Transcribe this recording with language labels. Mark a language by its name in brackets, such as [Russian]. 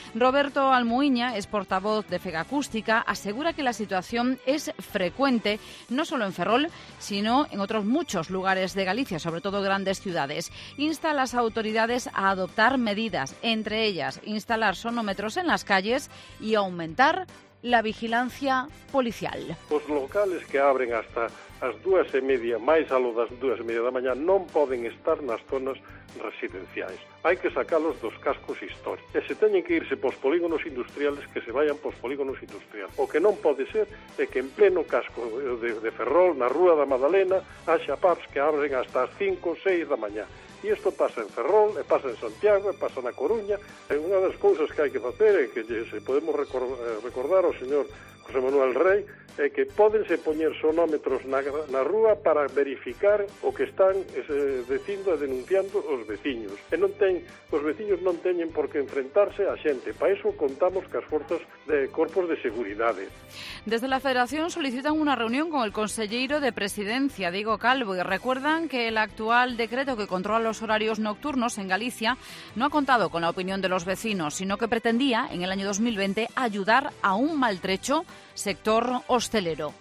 [Spanish] Roberto Almuiña es portavoz de FEGACÚSTICA, asegura que la situación es frecuente, no solo en Ferrol, sino en otros muchos lugares de Galicia, sobre todo grandes ciudades. Insta a las autoridades a adoptar medidas, entre ellas instalar sonómetros en las calles y aumentar la vigilancia policial. Los locales que abren [Galician] hasta as 2:30, máis alo das 2:30 da mañá, non poden estar nas zonas residenciais. Hai que sacalos dos cascos históricos. E se teñen que irse pos polígonos industriales, [Spanish] que se vayan pos polígonos industriales. [Galician] O que non pode ser é que en pleno casco de Ferrol, na Rúa da Madalena, haxa pubs que abren hasta as 5-6 da mañá. E isto pasa en Ferrol, e pasa en Santiago, e pasa na Coruña. E unha das cousas que hai que facer é que se podemos recordar ao señor José Manuel Rey, é que pódense poñer sonómetros na rúa para verificar o que están dicindo e denunciando os veciños. E non ten, os veciños non teñen por que enfrentarse a xente. Para iso contamos cas forzas de corpos de seguridade. [Spanish] Desde la Federación solicitan unha reunión con el conselleiro de Presidencia, Diego Calvo, e recuerdan que el actual decreto que controla los horarios nocturnos en Galicia no ha contado con la opinión de los vecinos, sino que pretendía, en el año 2020, ayudar a un maltrecho sector hostelero.